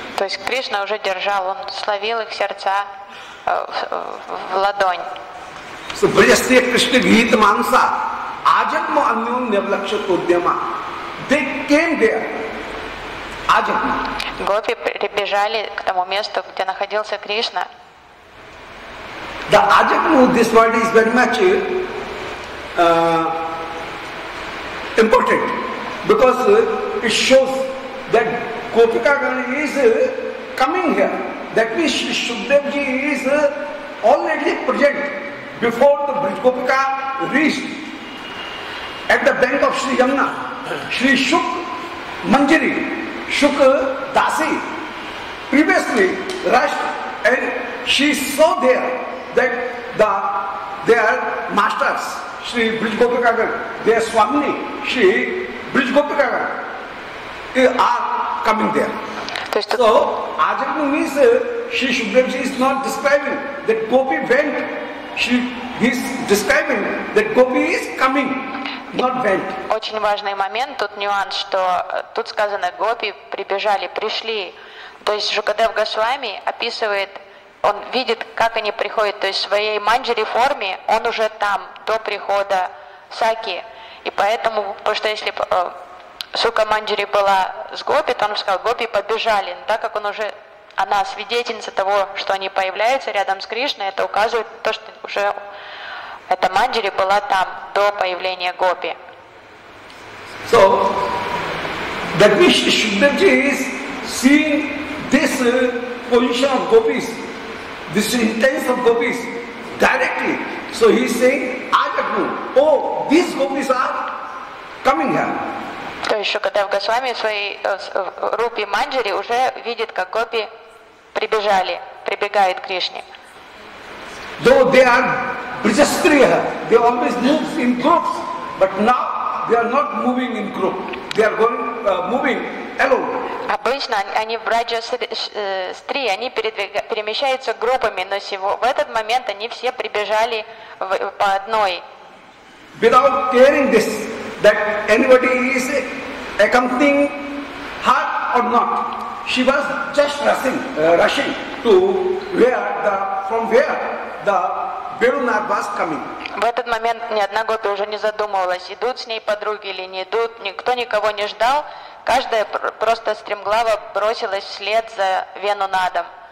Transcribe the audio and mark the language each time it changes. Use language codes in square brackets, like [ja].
[ru] То есть Кришна уже держал, он словил их сердца в ладонь. [sa] So Brajastriya Krishna Gita Mansa Ajatma Anyun Nevlakshat Udyama. [en] They came there. Ajatma. [ru] Gopi прибежали к тому месту, где находился Кришна. [en] The Ajatma of this world is very much important because it shows that Gopikagan is coming here. That means Shukdevji is already present. Before the Brij Gopika reached at the bank of Sri Yamuna, Sri Shuk Manjari, Shuk Dasi, previously rushed and she saw there that their masters, Sri Brij Gopika, their Swamini, Sri Brij Gopika, are coming there. So, Ajatma means Sri Shukdevji is not describing that Gopi went. He's describing that Gopi is coming, not went. [ru] Очень важный момент, тут нюанс, что тут сказано, Гопи прибежали, пришли. То есть Шукадев Госвами описывает, он видит, как они приходят, то есть в своей манджари форме он уже там, до прихода Саки. И поэтому, потому что если Сука Манджари была с Гопи, то он сказал, Гопи побежали, но так как он уже... Она свидетельница того, что они появляются рядом с Кришной, это указывает на то, что уже эта манджари была там до появления гопи. [en] So, that means Shukdevji is seeing this position of gopis, this intense of gopis directly. So he is saying, Ajatma, oh, these gopis are coming here. [ru] То есть Шукадев Госвами в своей рупе манджари уже видит, как гопи прибежали, прибегают к Кришне. [en] Though they are Brajastriya, they always move in groups, but now they are not moving in group. They are going moving alone. [ru] Обычно они в Брадже-Стрии, они перемещаются группами, но в этот момент они все прибежали по одной. [en] Without caring this, that anybody is accompanying her or not. She was just rushing to from where the Venunad was coming. [ru] В этот момент ни одна гопи уже не задумывалась, идут с ней подруги или не идут. Никто никого не ждал. Каждая просто стремглаво бросилась вслед за Венунадом.